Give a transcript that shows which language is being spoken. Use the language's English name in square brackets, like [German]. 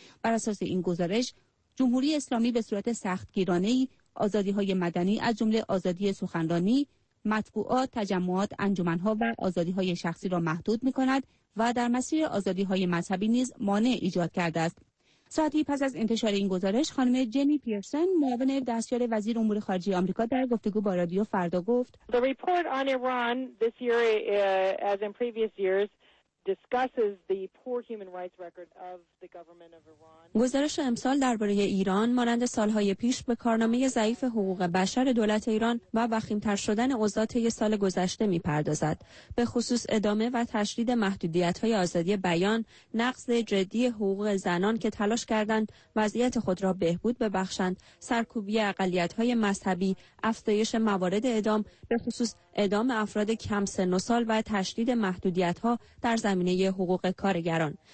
[Persian] بر اساس این گزارش جمهوری اسلامی به صورت سختگیرانه‌ای آزادی‌های مدنی از جمله آزادی سخنرانی، مطبوعات، تجمعات، انجمن‌ها و آزادی‌های شخصی را محدود می‌کند و در مسیر آزادی‌های مذهبی نیز مانع ایجاد کرده است. ساعتی پس از انتشار این گزارش، خانم جنی پیرسون، معاون دستیار وزیر امور خارجه آمریکا، در گفتگو با رادیو فردا گفت: [English] The report on Iran this year as in previous years discusses the poor human rights record of the government of Iran. [Persian] گزارش امسال درباره ایران مانند سالهای پیش به کارنامه ضعیف حقوق بشر دولت ایران و وخیم‌تر شدن اوضاع طی سال گذشته می‌پردازد، به خصوص ادامه و تشدید محدودیت‌های آزادی بیان، نقض جدی حقوق زنان که تلاش کردند وضعیت خود را بهبود ببخشند، سرکوبی اقلیت‌های مذهبی، افزایش موارد اعدام به خصوص اعدام افراد کم سن و سال و تشدید محدودیت‌ها در زمینه حقوق کارگران.